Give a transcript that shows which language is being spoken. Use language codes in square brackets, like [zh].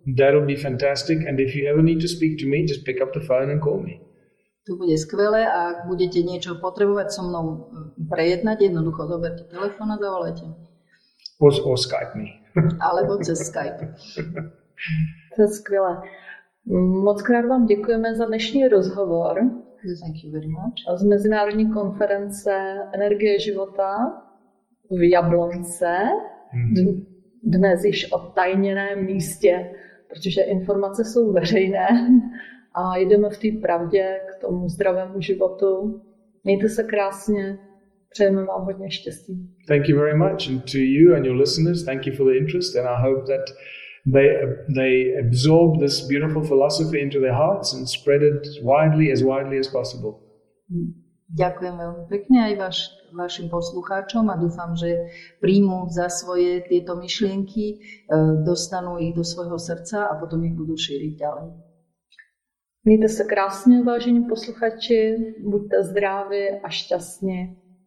[en] That would be fantastic and if you ever need to speak to me, just pick up the phone and call me. [sk] To bude skvělé a ak budete něco potřebovat so mnou prejednat, jednoducho zoberte telefon a zavolajte. [en] Or Skype me. [sk] Alebo cez Skype. [cs] To je skvělé. Mockrát vám děkujeme za dnešní rozhovor. [en] Thank you very much. [cs] Z Mezinárodní konference Energie života v Jablonce. dnes již odtajněném místě, protože informace jsou veřejné a jdeme v té pravdě k tomu zdravému životu. Mějte se krásně, přejeme vám hodně štěstí. [en] Thank you very much, and to you and your listeners, thank you for the interest, and I hope that they absorb this beautiful philosophy into their hearts and spread it widely as possible. [sk] Ďakujem veľmi pekne aj vašim poslucháčom a dúfam, že príjmú za svoje tieto myšlienky, dostanú ich do svojho srdca a potom ich budú šíriť ďalej. [cs] Mějte se krásně, vážení posluchači, buďte zdraví a šťastní.